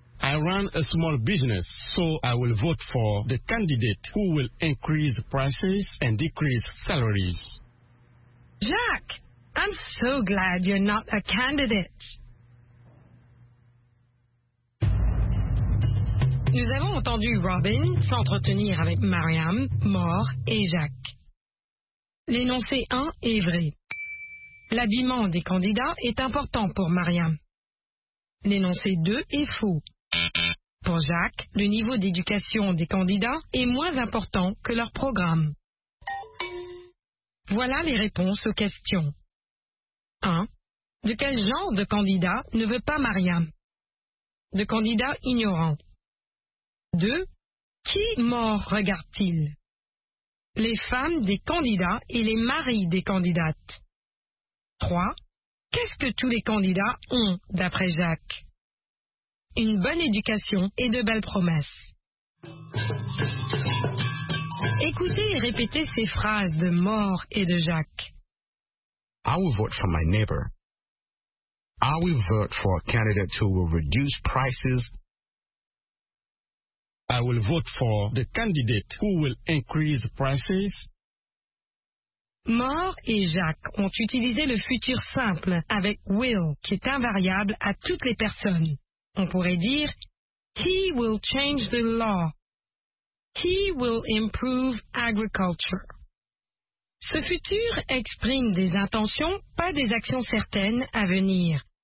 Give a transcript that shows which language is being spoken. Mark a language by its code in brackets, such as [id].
[en] I run a small business, so I will vote for the candidate who will increase prices and decrease salaries. Jacques, I'm so glad you're not a candidate. [fr] Nous avons entendu Robin s'entretenir avec Mariam, Maur et Jacques. L'énoncé 1 est vrai. L'habillement des candidats est important pour Mariam. L'énoncé 2 est faux. Pour Jacques, le niveau d'éducation des candidats est moins important que leur programme. Voilà les réponses aux questions. 1. De quel genre de candidat ne veut pas Mariam? De candidat ignorant. 2. Qui mort regarde-t-il? Les femmes des candidats et les maris des candidates. 3. Qu'est-ce que tous les candidats ont, d'après Jacques? Une bonne éducation et de belles promesses. Écoutez et répétez ces phrases de Maur et de Jacques. [en] I will vote for my neighbor. I will vote for a candidate who will reduce prices. I will vote for the candidate who will increase prices. [fr] Maur et Jacques ont utilisé le futur simple avec will, qui est invariable à toutes les personnes. On pourrait dire, [en] he will change the law. He will improve agriculture. [fr] Ce futur exprime des intentions, pas des actions certaines à venir.